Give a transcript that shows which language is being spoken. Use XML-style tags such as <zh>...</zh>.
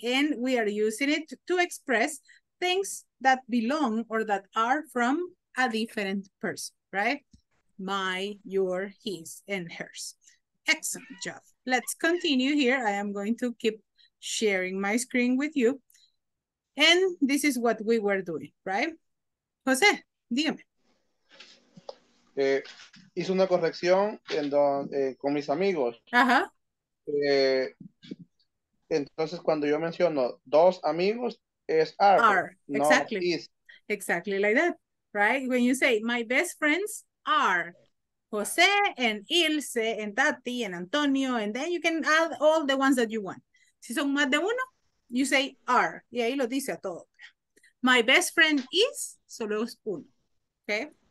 <en>And we are using it to express things that belong or that are from a different person, right? My, your, his, and hers. Excellent job. Let's continue here. I am going to keep sharing my screen with you. And this is what we were doing, right?</en> <es>José, dígame. Hice una corrección en donde, con mis amigos. Ajá. Entonces, cuando yo menciono dos amigos, es are.</es> <en>Exactly. Not is. Exactly like that, right? When you say, my best friends are José and Ilse and Tati and Antonio, and then you can add all the ones that you want.</en> <es>Si son más de uno,</es> <en>you say are,</en> <es>y ahí lo dice a todo.</es> <en>My best friend is,</en> <es>solo es uno,</es> <en>okay?</en>